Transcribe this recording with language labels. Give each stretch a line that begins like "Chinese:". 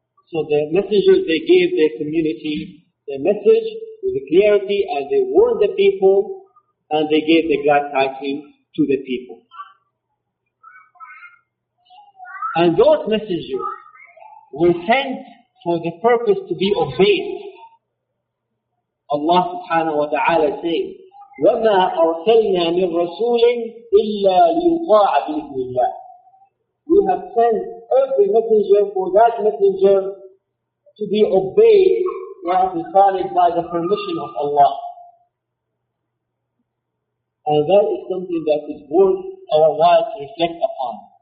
English: So the messengers, they gave their community the message with the clarity and they warned the people and they gave the glad tidings to the people. And those messengers were sent for the purpose to be obeyed. Allah subhanahu wa ta'ala says,
Arabic: وَمَا أَرْسَلْنَا مِنْ رَسُولٍ إِلَّا لِيُطَاعَ بِإِذْنِ اللَّهِ.
English: We have sent every messenger for that messenger to be obeyed by the permission of Allah. And that is something that is worth our while to reflect upon.